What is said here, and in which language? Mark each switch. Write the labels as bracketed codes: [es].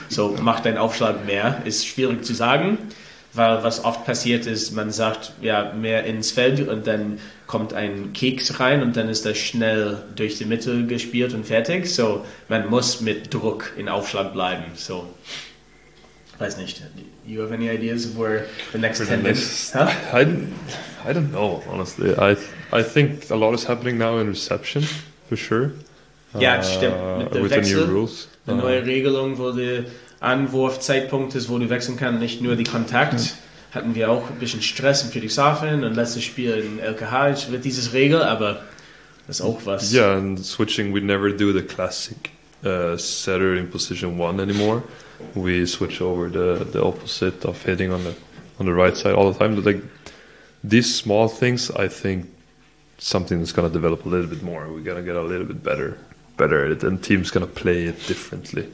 [de] So, mach deinen Aufschlag mehr, ist schwierig zu sagen, weil was oft passiert ist, man sagt, ja, mehr ins Feld und dann kommt ein Keks rein und dann ist das schnell durch die Mitte gespielt und fertig. So, man muss mit Druck in Aufschlag bleiben. So, weiß nicht. [en] You have any ideas where the next trend is? Huh? I don't know, honestly. I think a lot is happening now in reception, for sure. [de] Ja, das stimmt. Mit der Wechsel, der neue Regelung, wo der Anwurfzeitpunkt ist, wo du wechseln kannst, nicht nur die Kontakt. Ja. Hatten wir auch ein bisschen Stress in Friedrichshafen und letztes Spiel in LKH wird dieses Regel, aber das ist auch was. [en] Ja, and switching, we never do the classic setter in position one anymore. We switch over the opposite of hitting on the right side all the time. But like these small things, I think. Something that's going to develop a little bit more. We're going to get a little bit better at it. And teams going to play it differently.